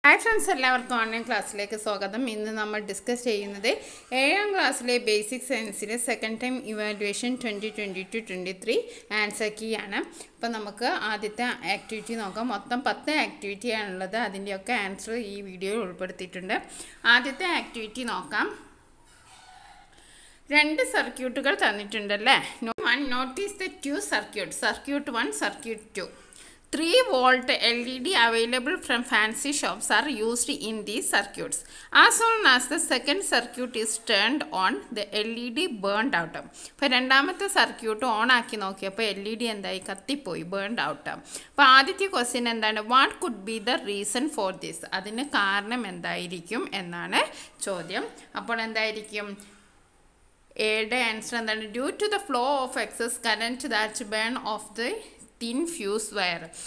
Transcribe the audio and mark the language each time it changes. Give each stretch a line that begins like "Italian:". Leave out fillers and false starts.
Malayalam: Hi friends, എല്ലാവർക്കും online ക്ലാസ്സിലേക്ക് സ്വാഗതം. ഇന്ന് നമ്മൾ ഡിസ്കസ് ചെയ്യുന്നത് 7 ക്ലാസ്സിലെ basic സയൻസിലെ second time evaluation 2022-23 answer key ആണ്. അപ്പോൾ നമുക്ക് ആദ്യത്തെ ആക്ടിവിറ്റി നോക്കാം. മൊത്തം 10 ആക്ടിവിറ്റിയാണുള്ളത്. അതിൻ്റെയൊക്കെ ആൻസർ ഈ വീഡിയോയിൽ ഉൾപ്പെടുത്തിയിട്ടുണ്ട്. ആദ്യത്തെ ആക്ടിവിറ്റി നോക്കാം. രണ്ട് സർക്യൂട്ടുകൾ തന്നിട്ടുണ്ടല്ലേ.
English: No one notice the two circuit. Circuit 1, circuit 2. 3-volt LED available from fancy shops are used in these circuits. As soon as the second circuit is turned on, the LED burned out.
Malayalam: അപ്പോൾ രണ്ടാമത്തെ circuit on ആക്കി നോക്കിയപ്പോൾ LED എന്തായി, കത്തിപ്പോയി,
English: Burned out.
Malayalam: അപ്പോൾ ആദ്യത്തെ question എന്താണ്,
English: what could be the reason for this,
Malayalam: അതിന് കാരണം എന്തായിരിക്കും എന്നാണ് ചോദ്യം. അപ്പോൾ എന്തായിരിക്കും എയുടെ ആൻസർ എന്താണ്,
English: Due to the flow of excess current that burn off the thin fuse wire.